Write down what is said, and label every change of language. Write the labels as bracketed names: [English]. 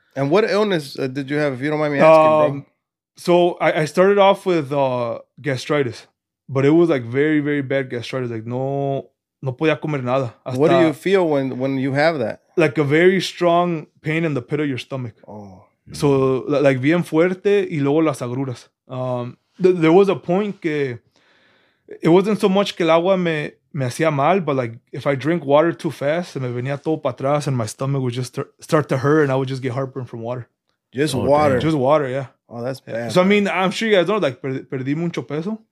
[English] And what illness did you have, if you don't mind me asking, bro? So I started off with gastritis, but it was like very, very bad gastritis. [Spanish] Like no podía comer nada. [English] Hasta, what do you feel when you have that? Like a very strong pain in the pit of your stomach. Oh. [Spanish] So like bien fuerte y luego las agruras. [English] There was a point que it wasn't so much que [Spanish] el agua me hacía mal, [English] but like if I drink water too fast, [Spanish] me venía todo para atrás [English] and my stomach would just start to hurt and I would just get heartburn from water. Just oh, water. Damn. Just water, yeah. Oh, that's bad. So, I mean, I'm sure you guys know, like, [Spanish] perdí mucho peso.